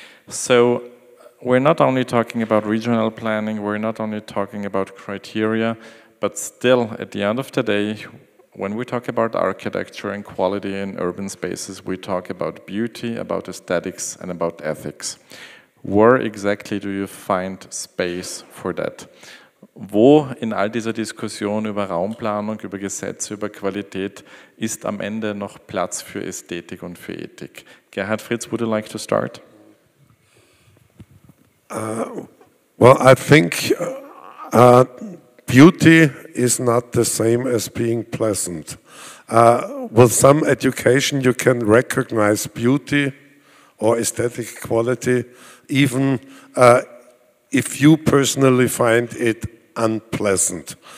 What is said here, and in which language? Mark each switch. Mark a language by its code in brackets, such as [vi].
[en] So we're not only talking about regional planning, we're not only talking about criteria, but still at the end of the day, when we talk about architecture and quality in urban spaces, we talk about beauty, about aesthetics, and about ethics. Where exactly do you find space for that? [de] Wo in all dieser Diskussion über Raumplanung, über Gesetze, über Qualität ist am Ende noch Platz für Ästhetik und für Ethik? [en] Gerhard Fritz, would you like to start? Well, I think beauty is not the same as being pleasant. With some education you can recognize beauty or aesthetic quality even if you personally find it unpleasant.